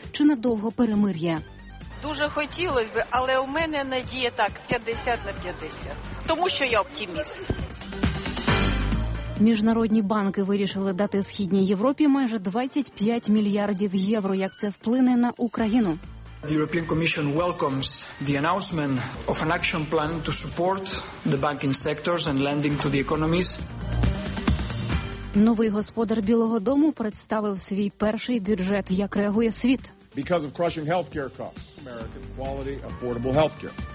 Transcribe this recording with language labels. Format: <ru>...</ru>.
<uk>Чи надовго перемир'я? Дуже хотілося б, але у мене надія так, 50 на 50. Тому що я оптиміст. Міжнародні банки вирішили дати Східній Європі майже 25 мільярдів євро. Як це вплине на Україну?</uk> <en>The European Commission welcomes the announcement of an action plan to support the banking sectors and lending to the economies.</en> <uk>Новий господар Білого Дому представив свій перший бюджет. Як реагує світ?</uk> <en>Because of crushing healthcare costs, American quality affordable healthcare.</en>